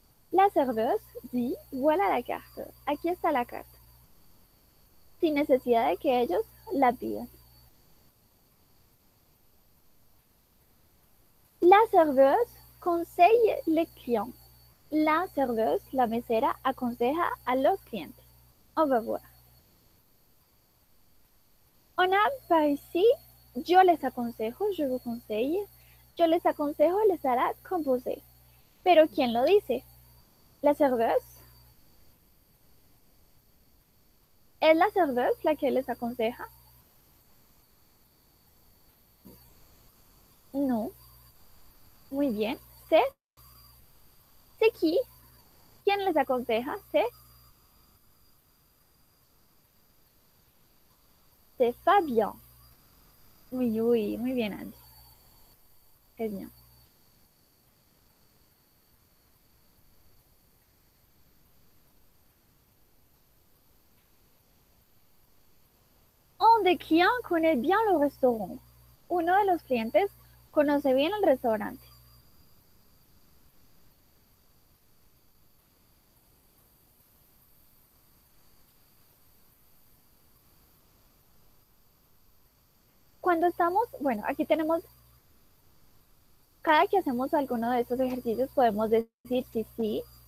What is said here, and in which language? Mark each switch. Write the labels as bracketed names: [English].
[French] La serveuse dit, voilà la carte. [Spanish] Aquí está la carte. Sin necesidad de que ellos la pidan. [French] La serveuse conseille les clients. La serveuse, [Spanish] la mesera, aconseja a los clientes. [French] On va voir. On a par ici, [Spanish] yo les aconsejo, [French] je vous conseille. [Spanish] Yo les aconsejo, les hará composé. Pero ¿quién lo dice? La serveuse. ¿Es la serveuse la que les aconseja? No. Muy bien, [French] c'est qui? [Spanish] ¿Quién les aconseja? [French] C'est Fabián. [Spanish] Uy, uy, muy bien, Andy. [French] Très bien. Un des clients connaît bien le restaurant. [Spanish] Uno de los clientes conoce bien el restaurante. Cuando estamos, bueno, aquí tenemos, cada que hacemos alguno de estos ejercicios podemos decir sí,